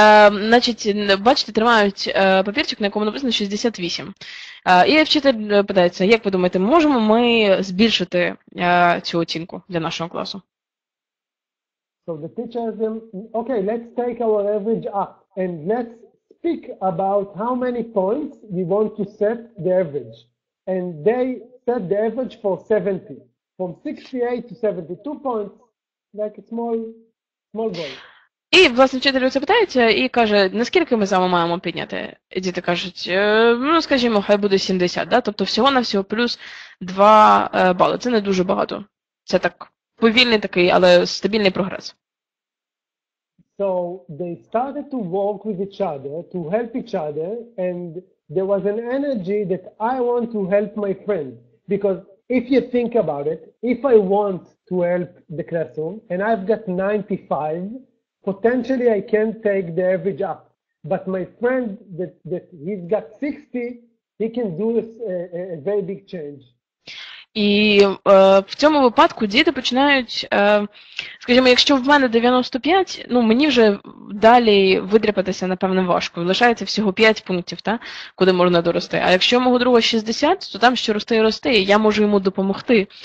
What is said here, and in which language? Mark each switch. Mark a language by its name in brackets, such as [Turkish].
[Ukrainian] Значить, бачите, тримають папірчик, на якому написано 68. І вчитель питається, як ви думаєте, можемо ми збільшити цю оцінку для нашого класу? [English] So the teacher says, okay, let's take our average up and let's speak about how many points we want to set the average. And they set the average for 70. From 68 to 72 points, like a small goal. [Ukrainian] І, власне, вчитель оце питається і каже, наскільки ми саме маємо підняти? І діти кажуть, ну, скажімо, хай буде 70, да? Тобто всього-навсього плюс 2 бали. Це не дуже багато. Це так повільний такий, але стабільний прогрес. [English] So, they started to work with each other, to help each other, and there was an energy that I want to help my friend. Because if you think about it, if I want to help the classroom, and I've got 95, potentially I can take the average up, but my friend that he's got 60, he can do a very big change. [Ukrainian] І в цьому випадку діти починають, скажімо, якщо в мене 95, ну мені вже далі видряпатися, напевно, важко. Лишається всього 5 пунктів, та, куди можна дорости. А якщо в мого друга 60, то там ще рости і рости, і я можу йому допомогти.